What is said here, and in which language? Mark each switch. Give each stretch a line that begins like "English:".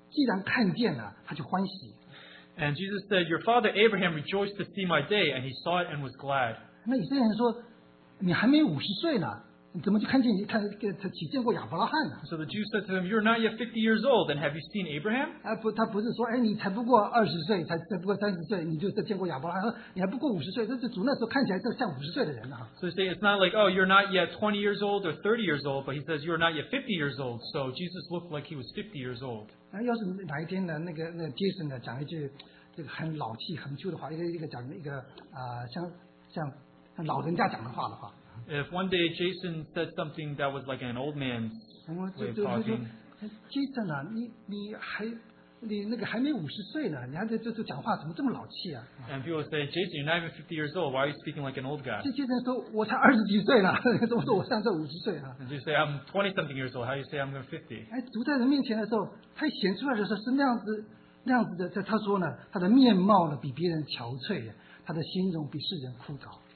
Chinese: 那么主说那个,你要知道你们的祖宗亚伯拉罕呢,欢欢喜喜的仰望我的日子,既然看见了,他就欢喜,
English: and Jesus said your father Abraham rejoiced to see my day, and he saw it and was glad.
Chinese: 那以色列人说,你还没50岁呢,怎么就看见,看,见过亚伯拉罕呢?
English: So the Jews said to him, you're not yet 50 years old, and have you seen Abraham?
Chinese: 他不是说,你才不过20岁,才不过30岁,你就见过亚伯拉罕,你还不过50岁,主那时候看起来像50岁的人啊。
English: So he said, it's not like, oh, you're not yet 20 years old or 30 years old, but he says, you're not yet 50 years old, so Jesus looked like he was 50 years old.
Chinese: 那要是哪一天呢,那个Jason呢,讲一句,这个很老气,很旧的话,一个讲一个,像老人家讲的话的话,
English: if one day Jason said something that was like an old man's way of talking,
Chinese: Jason啊,你还没50岁呢,你还在这讲话,怎么这么老气啊?
English: And people say, Jason, you're not even 50 years old, why are you speaking like an old guy?
Chinese: Jason说,我才20几岁呢,我说我现在50岁啊。
English: And you say, I'm 20-something years old, how do you say I'm 50?
Chinese: 主在人面前的时候,他显出来的时候是那样子,那样子的，他说呢，他的面貌呢比别人憔悴，他的心中比世人枯槁。